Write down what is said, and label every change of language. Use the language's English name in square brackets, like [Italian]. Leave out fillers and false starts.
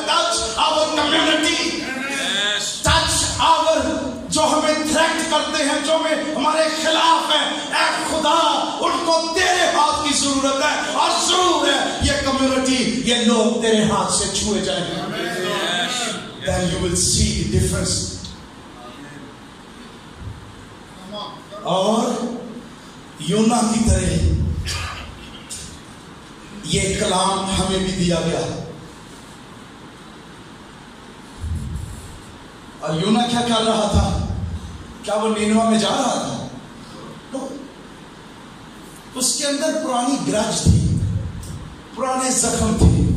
[English] touch our community, touch our [Urdu] جو ہمیں threat کرتے ہیں, جو ہمیں ہمارے خلاف ہیں. اے خدا ان کو تیرے ہاتھ کی ضرورت ہے, اور ضرور ہے یہ کمیونٹی, یہ لوگ تیرے ہاتھ سے چھوئے جائیں گے. [English] Then you will see the difference. [Urdu] اور یونا کی طرح یہ کلام ہمیں بھی دیا گیا. اور یونا کیا کر رہا تھا؟ کیا وہ نینوا میں جا رہا تھا؟ اس کے اندر پرانی گرج تھی, پرانے زخم تھے.